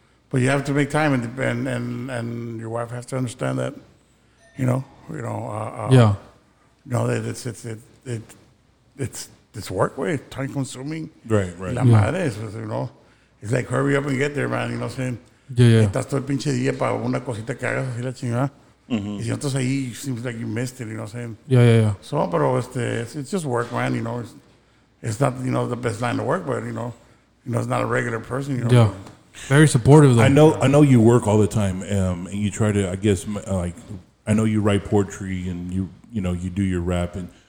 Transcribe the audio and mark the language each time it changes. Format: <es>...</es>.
<en>But you have to make time and your wife has to understand that, you know. Yeah. No, it's. This work way, time consuming. Right.</en> <es>La madre,</es> <en>yeah. You know. It's like, hurry up and get there, man. You know what I'm saying? Yeah, yeah.</en> <es>Estás todo el pinche día para una cosita que hagas así la chingada. Y si entonces ahí,</es> <en>it seems like you missed it, you know what I'm saying? Yeah, yeah, yeah. So, pero it's just work, man, you know. It's not, you know, the best line of work, but, you know, it's not a regular person, you know. Yeah. Very supportive, though. I know you work all the time, and you try to, I guess, like, I know you write poetry, and you know, you do your rap, and...</en>